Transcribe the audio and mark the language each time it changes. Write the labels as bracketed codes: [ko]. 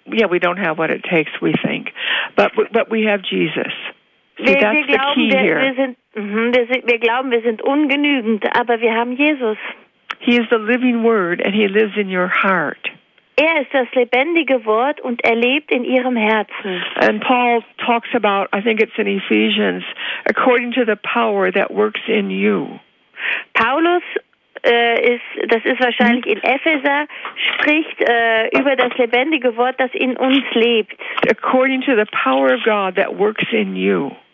[en] We don't have what it takes, we think. But we have Jesus. [de] Wir glauben, wir sind ungenügend, aber wir haben Jesus. [en] He is the living word and he lives in your heart. [de] Er ist das lebendige Wort und er lebt in ihrem Herzen. [en] And Paul talks about, I think it's in Ephesians, according to the power that works in you. [de] Paulus ist wahrscheinlich in Epheser, spricht über das lebendige Wort, das in uns lebt. [en] According to the power of God that works in you.